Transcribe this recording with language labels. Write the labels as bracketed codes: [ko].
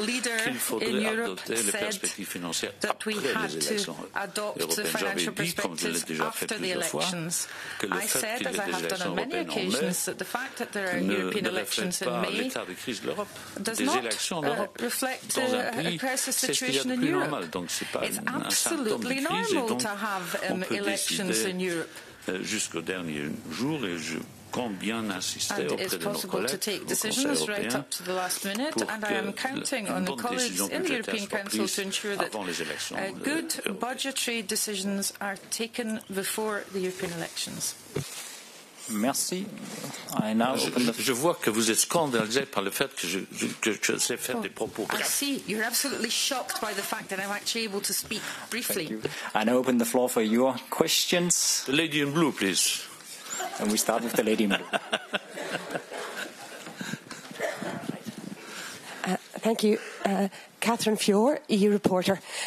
[en] leader in Europe said that we had to adopt the financial perspectives after the elections. I said, as I have done on many occasions, that the fact that there are European elections in May does not reflect a crisis situation in Europe. It's absolutely normal to have elections in Europe. [fr] Jusqu'au dernier jour, et je compte bien insister [en] and it's possible to take decisions right up to the last minute, and I am counting on the colleagues in the European Council to ensure that good budgetary decisions are taken before the European elections. [fr] Merci. [en] I now [fr] je vois que vous êtes scandalisé par le fait que je sais faire des propos. [en] I see. You're absolutely shocked by the fact that I'm actually able to speak briefly. I now open the floor for your questions. The lady in blue, please. And we start with the lady in blue. Thank you. Catherine Fior, EU reporter.